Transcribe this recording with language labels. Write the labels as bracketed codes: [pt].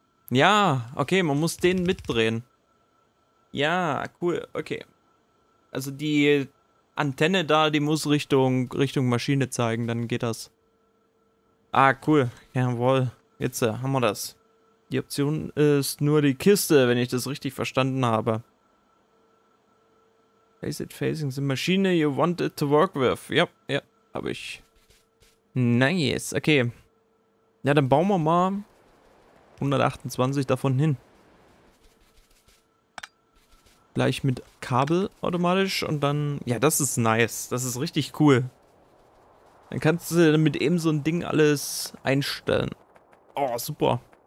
[de] Ja, okay, man muss den mitdrehen. Ja, cool, okay. Also die Antenne da, die muss Richtung Maschine zeigen, dann geht das. Ah, cool, jawohl. Jetzt haben wir das. Die Option ist nur die Kiste, wenn ich das richtig verstanden habe. [en] Face it facing the machine you want it to work with. [de] Yep, ja, habe ich. Nice, okay. Ja, dann bauen wir mal 128 davon hin. Gleich mit Kabel automatisch und dann... Ja, das ist nice. Das ist richtig cool. Dann kannst du mit eben so ein Ding alles einstellen. Oh, super.